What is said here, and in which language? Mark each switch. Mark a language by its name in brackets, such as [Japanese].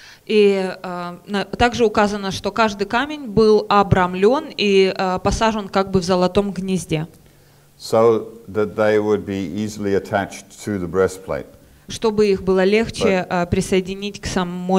[Russian] И также указано, что каждый камень был обрамлен и посажен как бы в золотом гнезде. [English] So that they would be easily attached to the breastplate. [Russian] Чтобы их было легче присоединить к самому